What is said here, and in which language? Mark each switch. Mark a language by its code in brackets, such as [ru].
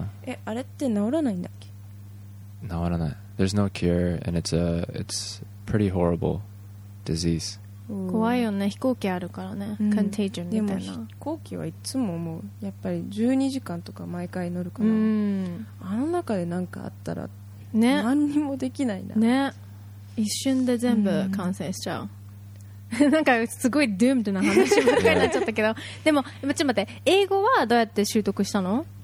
[ja] まあそうだよね、そうだよね。え、あれって治らないんだっけ？治らない。 [en] There's no cure, and it's pretty horrible disease. [ja] 怖いよね、飛行機あるからね Contagion みたいなでも飛行機はいつも思うやっぱり 12時間とか毎回乗るから あの中で何かあったらね何にもできないなね 一瞬で全部完成しちゃう なんかすごいドゥームな話ばっかりになっちゃったけど でもちょっと待って英語はどうやって習得したの?